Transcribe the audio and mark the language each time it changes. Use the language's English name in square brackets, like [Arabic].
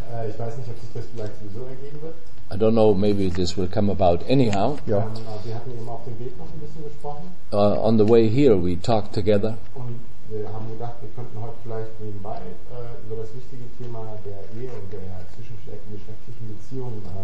[German] Ich weiß nicht, ob sich das vielleicht sowieso ergeben wird. [English] I don't know, maybe this will come about anyhow. [German] Ja. Wir hatten eben auf dem Weg noch ein bisschen gesprochen. [English] On the way here we talked together. [German] Und wir haben gedacht, wir könnten heute vielleicht nebenbei über das wichtige Thema der Ehe und der zwischengeschlechtlichen Beziehungen